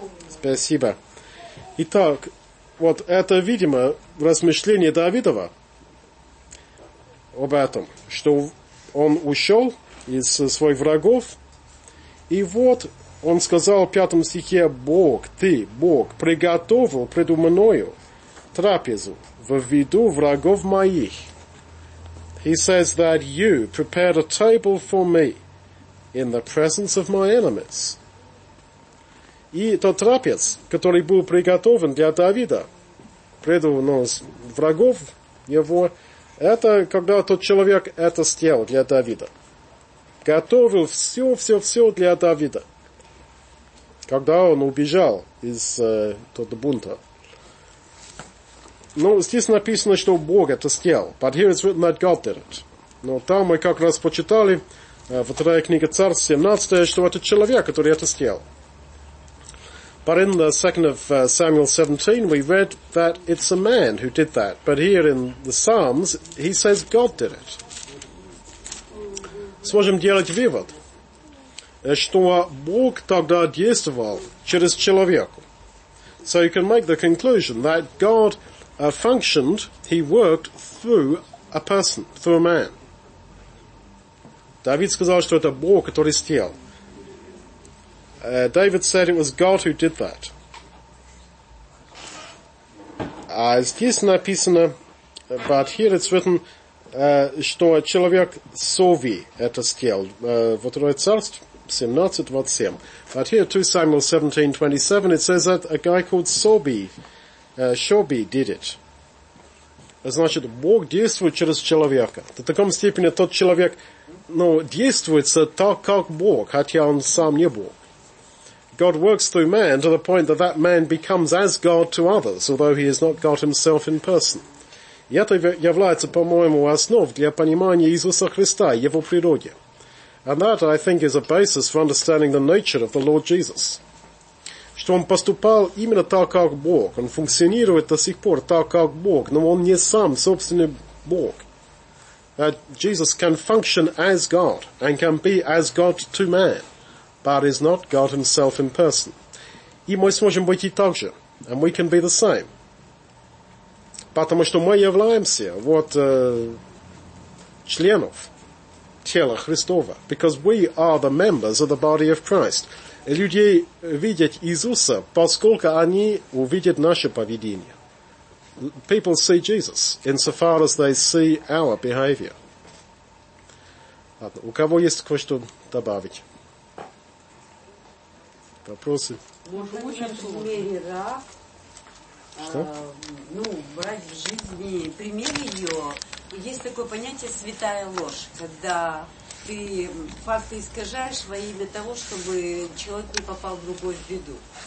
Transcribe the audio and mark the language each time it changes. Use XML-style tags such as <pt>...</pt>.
<ru>Спасибо. Итак, вот это, видимо, размышление Давидова об этом, что он ушел из своих врагов, и вот он сказал в пятом стихе: «Бог, ты, Бог, приготовил предо мною трапезу в виду врагов моих».</ru> <en>He says that you prepared a table for me in the presence of my enemies.</en> <ru>И тот трапез, который был приготовлен для Давида, преду врагов его, это когда тот человек это сделал для Давида. Готовил все для Давида. Когда он убежал из того бунта. Ну, здесь написано, что Бог это сделал.</ru> <en>But here it's written that God did it.</en> <ru>Но там мы как раз почитали во второй книге Царств 17, что это человек, который это сделал.</ru> <en>But in the second of Samuel 17, we read that it's a man who did that. But here in the Psalms, he says God did it.</en> <ru>Сможем делать вывод, что Бог тогда действовал через человека.</ru> <en>So you can make the conclusion that God functioned, he worked through a person, through a man.</en> <ru>Давид сказал, что это Бог, который сделал.</ru> <en>David said it was God who did that.</en> <ru>Здесь написано,</ru> <en>but here it's written,</en> <ru>что человек Сови это сделал. Во второй царств, 17:27.</ru> <en>But here, 2 Samuel 17:27, it says that a guy called Соби, Шоби did it.</en> <ru>Значит, Бог действует через человека. В таком степени тот человек, ну, действуется так, как Бог, хотя он сам не Бог.</ru> <en>God works through man to the point that that man becomes as God to others, although he is not God himself in person.</en> <ru>И это является, по-моему, основой для понимания Иисуса Христа, его природы.</ru> <en>And that, I think, is a basis for understanding the nature of the Lord Jesus.</en> <ru>Что он поступал именно так, как Бог. Он функционирует до сих пор так, как Бог, но он не сам, собственный Бог.</ru> <en>That Jesus can function as God and can be as God to man. But is not God himself in person.</en> <ru>И мы сможем быть и так же.</ru> <en>And we can be the same.</en> <ru>Потому что мы являемся вот членов тела Христова.</ru> <en>Because we are the members of the body of Christ.</en> <ru>И люди видят Иисуса, поскольку они увидят наше поведение.</ru> <en>People see Jesus insofar as they see our behavior.</en> <ru>У кого есть кое-что добавить? Вопросы? Может, в лучшем случае, да? Что? Ну, брать в жизни пример ее. Есть такое понятие «святая ложь», когда ты факты искажаешь во имя того, чтобы человек не попал в другую беду.</ru>